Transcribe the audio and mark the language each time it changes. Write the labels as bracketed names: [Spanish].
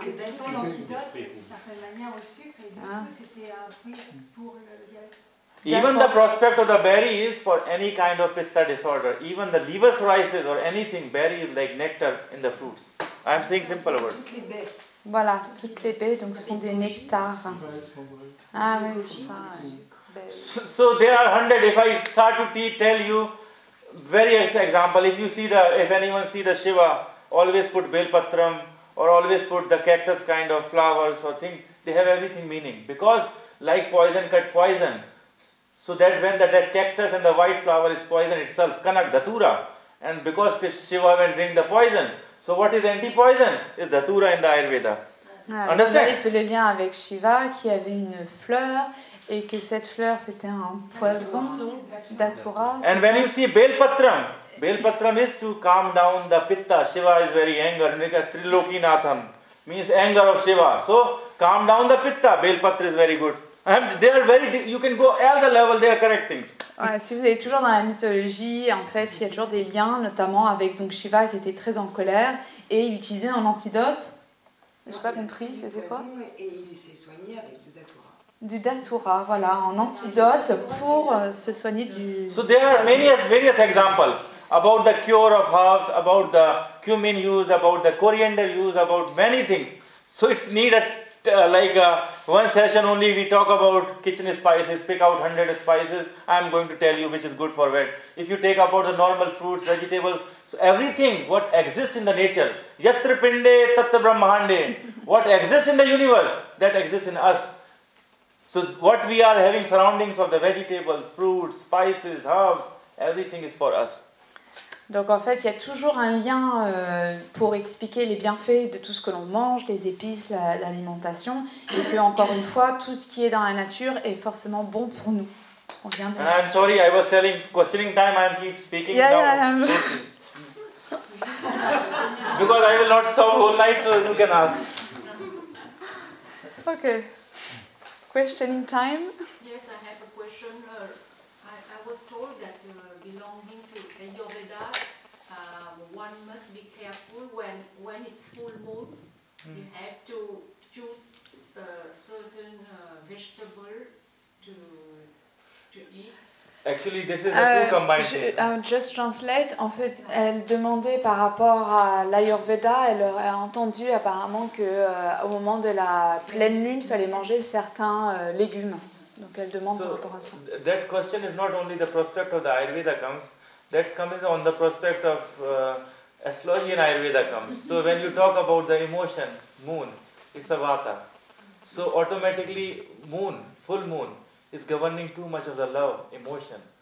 [French] C'est son antidote, ça fait la mère au sucre, et du coup, c'était un prix pour le. [English] Even the prospect of the berry is for any kind of pitta disorder. Even the liver psoriasis or anything, berry is like nectar in the fruit. I'm saying simple words. [French] Toutes les baies. Voilà, toutes les baies, donc sont des nectars. Ah oui, c'est ça. [English] So there are 100, if I start to tell you, very example, if you see the, if anyone see the Shiva, always put belpatram or always put the cactus kind of flowers or thing, they have everything meaning. Because like poison cut poison, so that when the dead cactus and the white flower is poison itself, kanak dhatura, and because Shiva went drink the poison, so what is anti-poison is dhatura in the Ayurveda. Ah, understand? [French] Il fait le lien avec Shiva qui avait une fleur et que cette fleur c'était un poison dhatura. [English] And when you see belpatram, Belpatram is to calm down the pitta. Shiva is very angry. Like Triloki Natham means anger of Shiva. So calm down the pitta. Belpatram is very good. And they are very. You can go all the level. They are correct things. [French] Ouais, si vous êtes toujours dans la mythologie, en fait, il y a toujours des liens, notamment avec donc Shiva qui était très en colère et il utilisait un antidote. J'ai pas compris. C'était quoi? Et il s'est soigné avec du datura. Du datura, voilà, un antidote pour se soigner du. [English] So there are various examples. About the cure of herbs, about the cumin use, about the coriander use, about many things. So it's needed one session only we talk about kitchen spices, pick out 100 spices. I'm going to tell you which is good for what. If you take about the normal fruits, vegetables, so everything what exists in the nature, [Sanskrit] yatra pinde tatra brahmande, [English] what exists in the universe, that exists in us. So what we are having surroundings of the vegetables, fruits, spices, herbs, everything is for us. [French] Donc en fait, il y a toujours un lien pour expliquer les bienfaits de tout ce que l'on mange, les épices, l'alimentation, et que encore une fois, tout ce qui est dans la nature est forcément bon pour nous. On vient de. [English] I'm sorry, I was telling questioning time. I'm keep speaking yeah, now. Yeah, yeah. Because I will not stop whole night, so you can ask. Okay. Questioning time. Yes, I have a question. I was told that belonging to Ayurveda, one must be careful when it's full moon. You have to choose a certain vegetable to eat. Actually, this is a full combined. Just translate. [French] En fait, elle demandait par rapport à l'Ayurveda. Elle a entendu apparemment que au moment de la pleine lune, il fallait manger certains légumes. Donc elle demande par rapport à ça. [English] That question is not only the prospect of the Ayurveda comes. That comes on the prospect of astrology and Ayurveda comes. So when you talk about the emotion, moon, it's a vata. So automatically, moon, full moon. Is governing too much of the love, emotion.